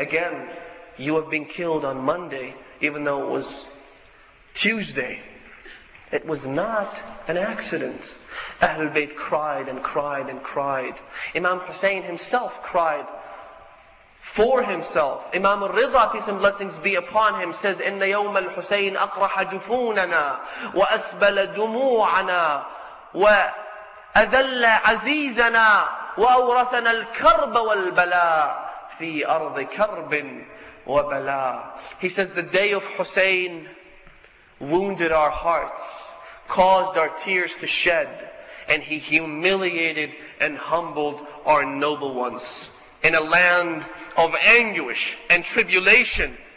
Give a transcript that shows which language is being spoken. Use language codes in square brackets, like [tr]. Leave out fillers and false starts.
[en] Again, you have been killed on Monday, even though it was Tuesday. It was not an accident. Ahlul Bayt cried and cried and cried. Imam Hussein himself cried for himself. Imam al-Ridha, peace and blessings be upon him, says, [ar] إِنَّ يَوْمَ الْحُسَيْنِ أَقْرَحَ جُفُونَنَا وَأَسْبَلَ دُمُوعَنَا وَأَذَلَّ عَزِيزَنَا وَأَوْرَثَنَا الْكَرْبَ وَالْبَلَىٰ فِي أَرْضِ كَرْبٍ وَبَلَىٰ. [en] He says, the day of Hussein wounded our hearts, caused our tears to shed, and he humiliated and humbled our noble ones in a land of anguish and tribulation.